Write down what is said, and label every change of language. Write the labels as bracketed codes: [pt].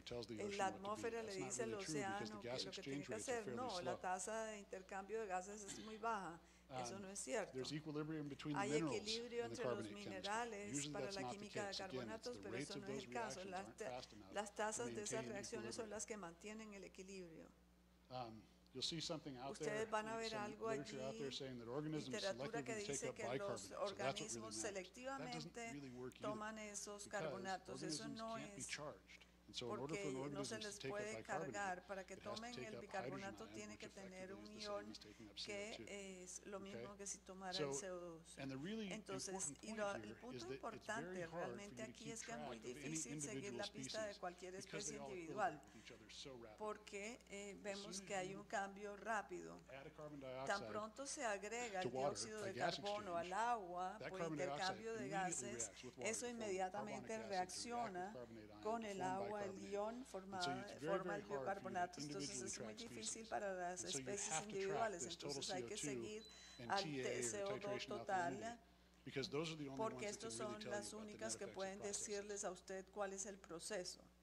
[es] La atmósfera le dice al océano que lo que tiene que hacer. No, la tasa de intercambio de gases es muy baja. Eso no es cierto. [en] There's equilibrium between [es] hay [en] the minerals [es] equilibrio entre los minerales [en] chemistry. [es] Para la química de carbonatos, pero eso no es el caso. Las tasas de esas reacciones son las que mantienen el equilibrio. [en] You'll see something out there, some literature out there saying that organisms selectively take up bicarbonate. So that's what really matters. That doesn't really work either, because organisms can't be charged. And so in order for an organism to take up bicarbonate, it has to take up hydrogen ion, which effectively is the same as taking up CO2. Okay? And the really important point here is that it's very hard for you to keep track of any individual species because they all equivalent with each other so rapidly. [es] Porque vemos que hay un cambio rápido. Tan pronto se agrega el dióxido de carbono al agua por intercambio de gases, eso inmediatamente reacciona con el agua. El ion forma el biocarbonato, entonces es muy difícil para las especies individuales, entonces hay que seguir al TCO2 total, porque estos son las únicas que pueden decirles a usted cuál es el proceso.